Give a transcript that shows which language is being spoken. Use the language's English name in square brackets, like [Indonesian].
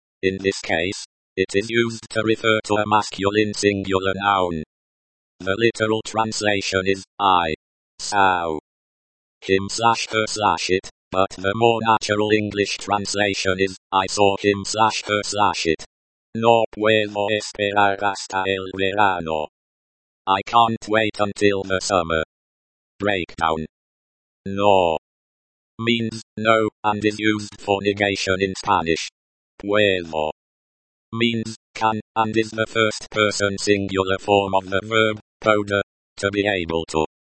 [English] In this case, it is used to refer to a masculine singular noun. The literal translation is I saw him slash her slash it, but the more natural English translation is, I saw him slash her slash it. [Spanish] No puedo esperar hasta el verano. [English] I can't wait until the summer. Breakdown. No means no, and is used for negation in Spanish. Puedo means can, and is the first person singular form of the verb, poder, to be able to.